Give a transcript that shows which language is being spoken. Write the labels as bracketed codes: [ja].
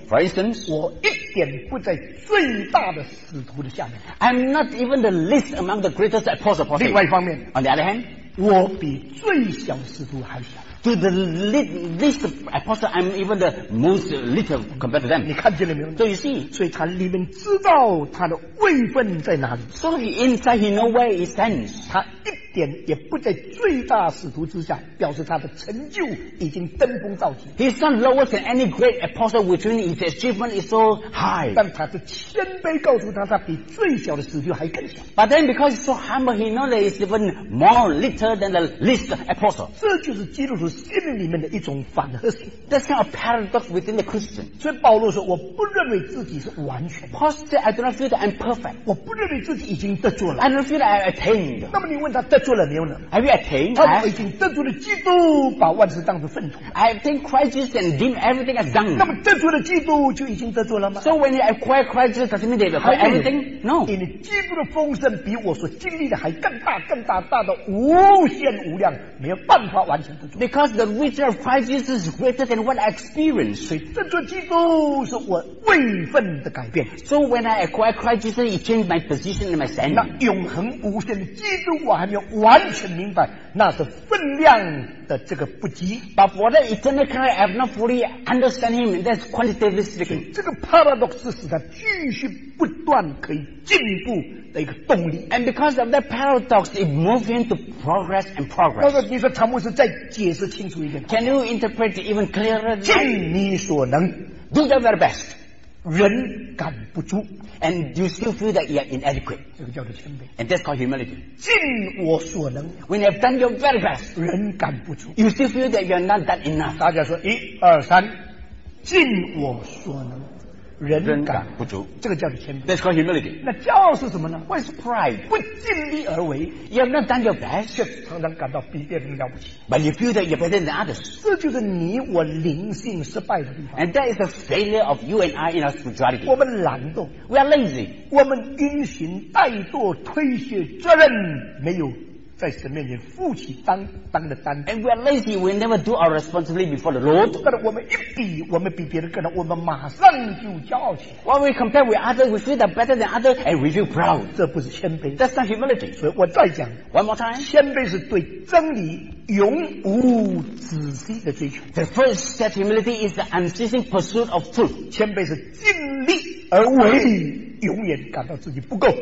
[en] ，For instance, [zh] 我一点不在最大的使徒的下面。 [en] I'm not even the least among the greatest apostles. [zh] 另外一方面 [en] ，On the other hand, [zh] 我比最小使徒还小。 [en] To the least apostle, I'm even the most little compared to them. [zh] 你看见了没有？ [en] So you see, [zh] 所以他里面知道他的位分在哪里。 [en] So he inside he know where he stands. [zh] 他一点也不在最大使徒之下，表示他的成就已经登峰造极。 [en] He's not lower than any great apostle, which means his achievement is so high. [zh] 但他是谦卑告诉他，他比最小的使徒还更小。 [en] But then because he's so humble, he knows that he's even more little than the least apostle. [zh] 这就是基督徒。心里面的一种反合性 [en] That's kind of paradox within the Christian [zh] 所以保罗说我不认为自己是完全 [en] Paul said I do not feel that I'm perfect [zh] 我不认为自己已经得住了 [en] I don't feel that I attained [zh] 那么你问他得住了没有呢 [en] Have you attained? [zh] 他说已经得住了基督把万事当作粪土 [en] I attained Christ Jesus and deemed everything as dung [zh] 那么得住了基督就已经得住了吗 [en] So when you acquire Christ Jesus doesn't mean that you acquire everything? No [zh] 因为基督的丰盛比我所经历的还更大更大大的无限无量没有办法完全得住 [en] Because the riches of Christ Jesus is greater than what I experienced. [zh] 所以得着基督是我位分的改变。 [en] So when I acquire Christ Jesus, it changed my position and my standing. [zh] 那永恒无限的基督我还没有完全明白，那是分量的这个不及。 [en] But for the eternal Christ, I have not fully understand him, and that's quantitatively speaking. [zh] 这个 paradox 是使他继续不断可以进步的一个动力。 [en] And because of that paradox, it moves him to progress and progress. [zh] 那个你说常牧师在解释清楚一点。 [en] Can you interpret even clearer? [zh] 尽你所能 [en] ，do the very best. [zh] 人赶不住 [en] ，and you still feel that you are inadequate. [zh] 这个叫做谦卑 [en] ，and that's called humility. [zh] 尽我所能 [en] ，when you have done your very best. [zh] 人赶不住 [en] ，you still feel that you are not done enough. [zh] 大家说一二三，尽我所能。人感不足，这个叫做谦卑。 [en] That's called humility. [zh] 那骄傲是什么呢 [en] ？What is pride? [zh] 不尽力而为 [en] ，You have not done your best. [zh] 却常常感到比别人了不起。 [en] But you feel that you're better than others. [zh] 这就是你我灵性失败的地方。 [en] And that is the failure of you and I in our spirituality. [zh] 我们懒惰 [en] ，We are lazy. [zh] 我们因循怠惰，推卸责任，没有。在神面前负起当的担 [en] And we are lazy, we never do our responsibility before the Lord. [zh] 但是我们一比，我们比别人更好，我们马上就骄傲起来。 [en] When we compare with others, we feel that better than others, and we feel proud. [zh] 这不是谦卑 [en] That's not humility. [zh] 所以我再讲 [en] One more time. [zh] 谦卑是对真理永无止息的追求 [en] The first step humility is the unceasing pursuit of truth. [zh] 谦卑是尽力而为永远感到自己不够